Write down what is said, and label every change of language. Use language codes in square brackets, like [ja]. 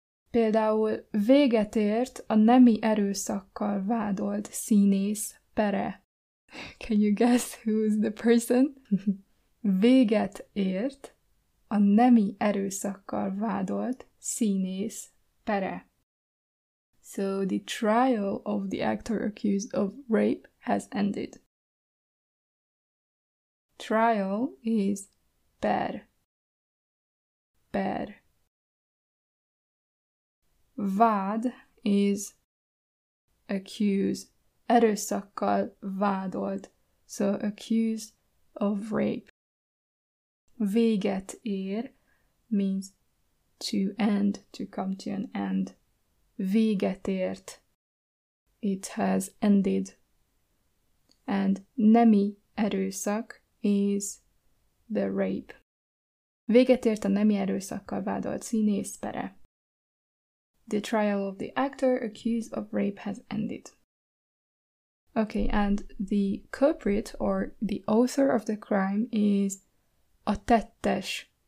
[hu] Például véget ért a nemi erőszakkal vádolt színész pere. [en] Can you guess who's the person? [hu] Véget ért a nemi erőszakkal vádolt színész pere. [en] So the trial of the actor accused of rape has ended. Trial is per. Per. Vád is accused. [hu] Erőszakkal vádolt. [en] So accused of rape. Véget ér means to end, to come to an end. [hu] Véget ért. [en] It has ended. And nemi erőszak is the rape. [hu] Véget ért a nemi erőszakkal vádolt színész pere. [en] The trial of the actor accused of rape has ended. Okay, and the culprit or the author of the crime is a tettes.